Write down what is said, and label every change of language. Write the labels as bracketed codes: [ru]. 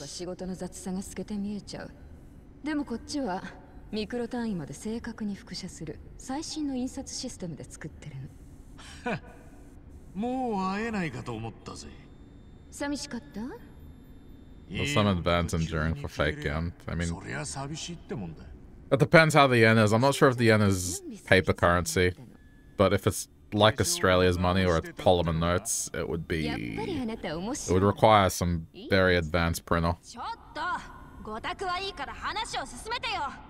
[ja] 仕事の雑さが透けて見えちゃう。でもこっちはミクロ単位まで正確に複写する最新の印刷システムで作ってるの。もう会えないかと思ったぜ。寂しかった？ [en] Well, some advance in during for fake yen. I mean, [ja] そりゃ寂しいってもんだ。 [en] It depends how the yen is. I'm not sure if the yen is paper currency, but if it's like Australia's money or it's polymer notes, it would be. It would require some very advanced printer. [ja] ちょっと、ごたくはいいから話を進めてよ。